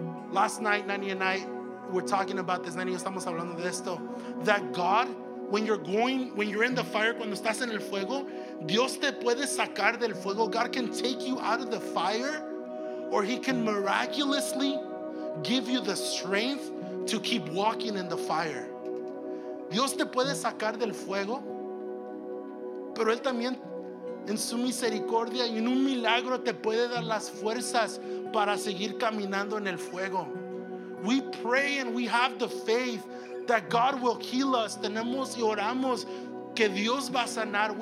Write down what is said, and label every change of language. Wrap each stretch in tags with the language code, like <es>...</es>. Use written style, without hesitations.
<en>Last night, Nani and I were talking about this.</en> <es>Nani y yo estamos hablando de esto.</es> <en>That God, when you're in the fire,</en> <es>cuando estás en el fuego, Dios te puede sacar del fuego.</es> <en>God can take you out of the fire, or he can miraculously give you the strength to keep walking in the fire.</en> <es>Dios te puede sacar del fuego, pero él también en su misericordia y en un milagro te puede dar las fuerzas para seguir caminando en el fuego.</es> <en>We pray and we have the faith that God will heal us.</en> <es>Tenemos y oramos que Dios va a sanar.</es>